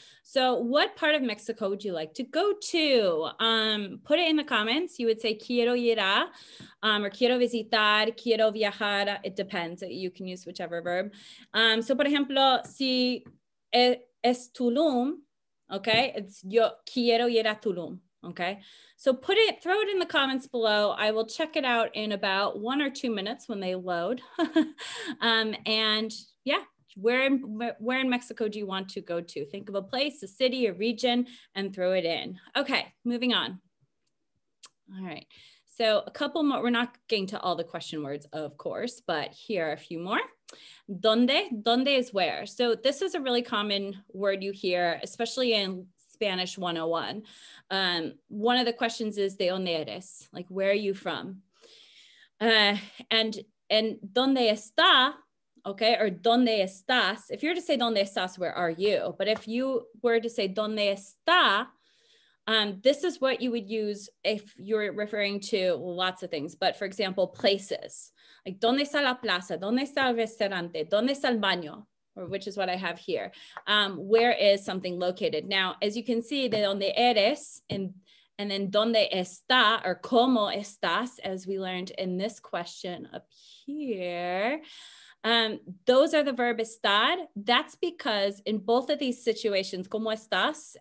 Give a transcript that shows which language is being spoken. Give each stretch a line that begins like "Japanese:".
English: So what part of Mexico would you like to go to? Put it in the comments. You would say
Spanish: quiero ir a, or quiero visitar, quiero viajar.
English: It depends. You can use whichever verb. So
Spanish: por ejemplo, si es Tulum,
English: okay, it's
Spanish: yo quiero ir a Tulum.
English: Okay, so put it, throw it in the comments below. I will check it out in about 1 or 2 minutes when they load. and yeah, where in Mexico do you want to go to? Think of a place, a city, a region, and throw it in. Okay, moving on. All right, so a couple more. We're not getting to all the question words, of course, but here are a few more.
Spanish: ¿Dónde? ¿Dónde
English: is where? So this is a really common word you hear, especially in Spanish 101. One of the questions is,
Spanish: ¿de dónde eres?
English: Like, where are you from?
Spanish: And ¿dónde está? Okay, or ¿dónde estás?
English: If you're to say
Spanish: ¿dónde estás?
English: Where are you? But if you were to say
Spanish: ¿dónde está?
English: This is what you would use if you're referring to lots of things, but for example, places.
Spanish: Like, ¿dónde está la plaza? ¿Dónde está el restaurante? ¿Dónde está el baño?
English: Or, which is what I have here. Where is something located? Now, as you can see,
Spanish: de dónde eres,
English: and then
Spanish: ¿dónde está?
English: Or
Spanish: ¿cómo estás?
English: As we learned in this question up here. Those are the verb estar. That's because in both of these situations,
Spanish: ¿cómo estás?